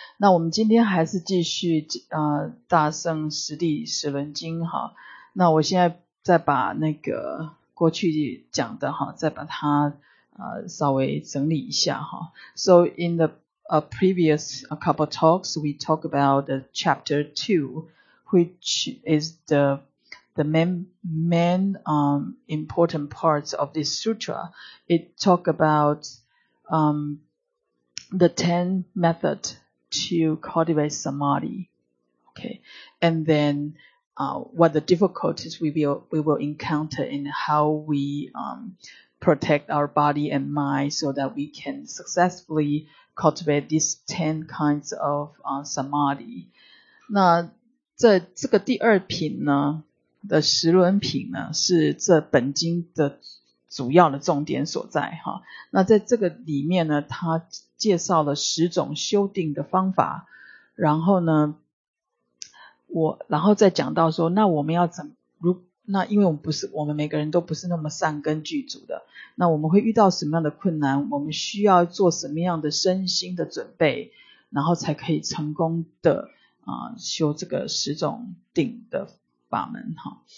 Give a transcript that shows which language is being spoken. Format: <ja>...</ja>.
<zh>那我们今天还是继续大圣十地十轮经哈。那我现在再把那个过去讲的哈，再把它稍微整理一下哈。</zh> <en>So in the previous couple of talks, we talk about the chapter 2, which is the main important parts of this sutra. It talk about the 10 method to cultivate samadhi. Okay. And then what the difficulties we will encounter and how we protect our body and mind so that we can successfully cultivate these 10 kinds of samadhi.</en> <zh>那在这个第二品呢的十轮品呢是这本经的主要的重点所在哈。那在这个里面呢他介绍了十种修定的方法，然后呢然后再讲到说那我们要怎么那因为我们不是我们每个人都不是那么善根具足的，那我们会遇到什么样的困难，我们需要做什么样的身心的准备，然后才可以成功的修这个十种定的法门哈。</zh>